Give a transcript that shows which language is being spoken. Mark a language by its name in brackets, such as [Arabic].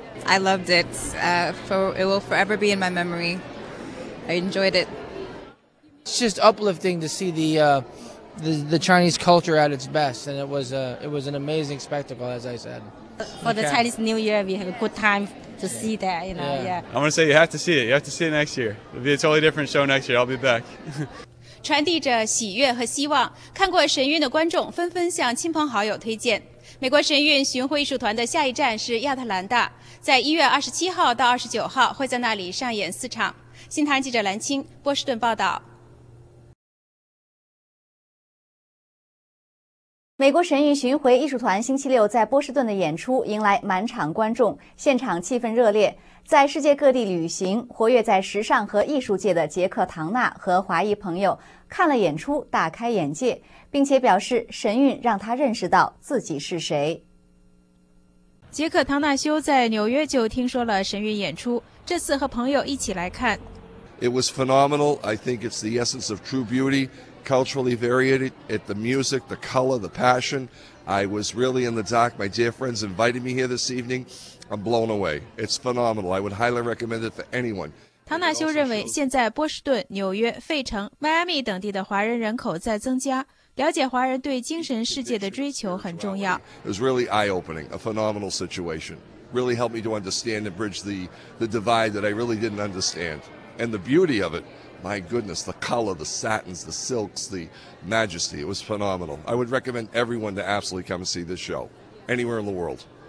[English] I loved it. It will forever be in my memory. I enjoyed it. It's just uplifting to see the Chinese culture at its best, and it was an amazing spectacle, as I said. For the Chinese New Year, we have a good time to see that, you know. Yeah. I'm gonna say you have to see it. You have to see it next year. It'll be a totally different show next year. I'll be back. [Chinese] 传递着喜悦和希望，看过神韵的观众纷纷向亲朋好友推荐。美国神韵巡回艺术团的下一站是亚特兰大，在1月27号到29号会在那里上演四场。新唐人记者蓝青，波士顿报道。美国神韵巡回艺术团星期六在波士顿的演出迎来满场观众，现场气氛热烈。在世界各地旅行、活跃在时尚和艺术界的杰克·唐纳和华裔朋友看了演出，大开眼界，并且表示神韵让他认识到自己是谁。杰克·唐纳修在纽约就听说了神韵演出，这次和朋友一起来看。 [English] It was phenomenal. I think it's the essence of true beauty. Culturally varied, at the music, the color, the passion. I was really in the dark. My dear friends invited me here this evening. I'm blown away. It's phenomenal. I would highly recommend it for anyone. [Chinese] 唐纳修认为，现在波士顿、纽约、费城、迈阿密等地的华人人口在增加，了解华人对精神世界的追求很重要。 [English] It was really eye-opening, a phenomenal situation. Really helped me to understand and bridge the divide that I really didn't understand. And the beauty of it. My goodness, the color, the satins, the silks, the majesty, it was phenomenal. I would recommend everyone to absolutely come and see this show, anywhere in the world.